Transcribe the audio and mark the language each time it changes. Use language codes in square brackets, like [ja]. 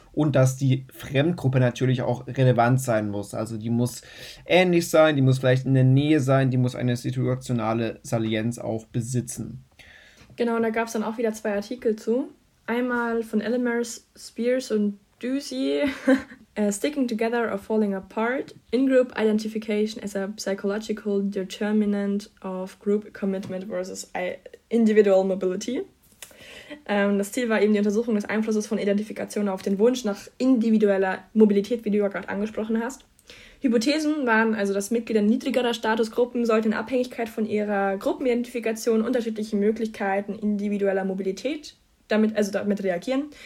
[de] und dass die Fremdgruppe natürlich auch relevant sein muss. Also die muss ähnlich sein, die muss vielleicht in der Nähe sein, die muss eine situationale Salienz auch besitzen. Genau, und da gab es dann auch wieder zwei Artikel zu. Einmal von Elemers, Spears und Doozy. [en] Sticking together or falling apart. In-group identification as a psychological determinant of group commitment versus individual mobility. [de] Das Ziel war eben die Untersuchung des Einflusses von Identifikation auf den Wunsch nach individueller Mobilität, wie du ja gerade angesprochen hast. Hypothesen waren also, dass Mitglieder niedrigerer Statusgruppen sollten in Abhängigkeit von ihrer Gruppenidentifikation unterschiedliche Möglichkeiten individueller Mobilität damit reagieren.